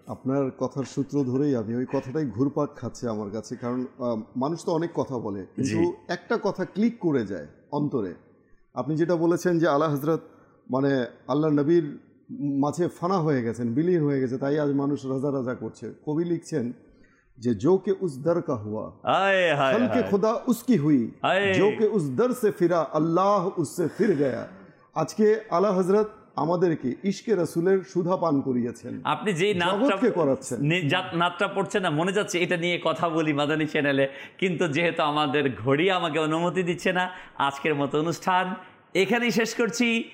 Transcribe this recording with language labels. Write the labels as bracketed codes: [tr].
[bn] আপনার কথার সূত্র ধরেই আমি ওই কথাটাই ঘুরপাক খাচ্ছে আমার কাছে, কারণ মানুষ তো অনেক কথা বলে কিন্তু একটা কথা ক্লিক করে যায় অন্তরে, আপনি যেটা বলেছেন যে আলা হযরত মানে আল্লাহ নবীর মাঝে ফানা হয়ে গেছেন, বিলীন হয়ে গেছে, তাই আজ মানুষ রাজা রাজা করছে। কবি লিখছেন [ur] جو کہ اس در کا ہوا, آئے ہائے خلق خدا اس کی ہوئی, آئے جو کہ اس در سے پھرا اللہ اس سے پھر گیا. آج کے اعلی حضرت [bn] আমাদের কি ইশকের রাসূলের সুধা পান করিয়েছেন, আপনি যে নাটকে করাচ্ছেন নাটকটা পড়ছে না মনে যাচ্ছে এটা নিয়ে কথা বলি মাদানী চ্যানেলে, কিন্তু যেহেতু আমাদের ঘড়ি আমাকে অনুমতি দিচ্ছে না, আজকের মতো অনুষ্ঠান এখানেই শেষ করছি.